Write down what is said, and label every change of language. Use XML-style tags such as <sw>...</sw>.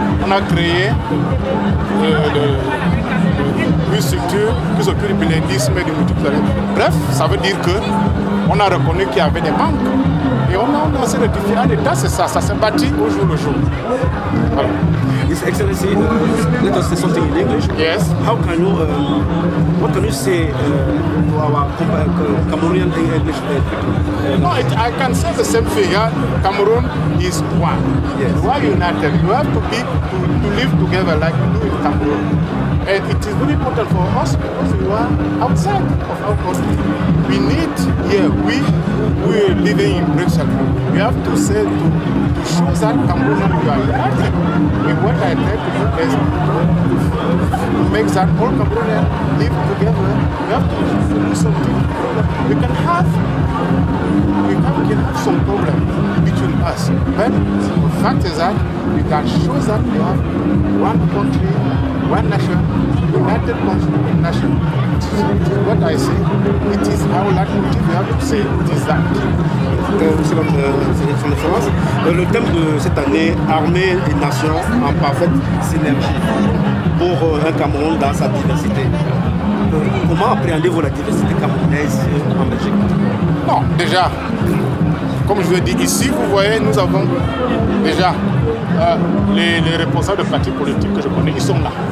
<fr>On a créé une structure qui s'occupe du bilinguisme et du multiculturalisme. Bref, ça veut dire qu'on a reconnu qu'il y avait des manques. Et on a lancé le défi à l'État, c'est ça. Ça s'est bâti au jour le jour.</fr> <en>Voilà. Excellency, let us say something in English. Yes. How can you, what can you say to our Cameroonian English people? No, I can say the same thing. Yeah? Cameroon is one. Yes. We are united. We have to live together like we do in Cameroon. And it is very important for us because we are outside of our country. We need, we are living in Brexit. We have to say to show that Cameroon is united. And what I try to do is to make that all Cameroonians live together. We have to do something. We can have some problems between us. But the fact is that we can show that we have one country, one nation, united constitution nation. It is what I say. It is how Latin we have to say it is that.</en> <fr>Monsieur le président de la France, le thème de cette année, armée et nation en parfaite synergie pour un Cameroun dans sa diversité. Comment appréhendez-vous la diversité camerounaise en Belgique? Non, déjà, comme je vous ai dit ici, vous voyez, nous avons déjà les responsables de partis politiques que je connais, ils sont là.</fr>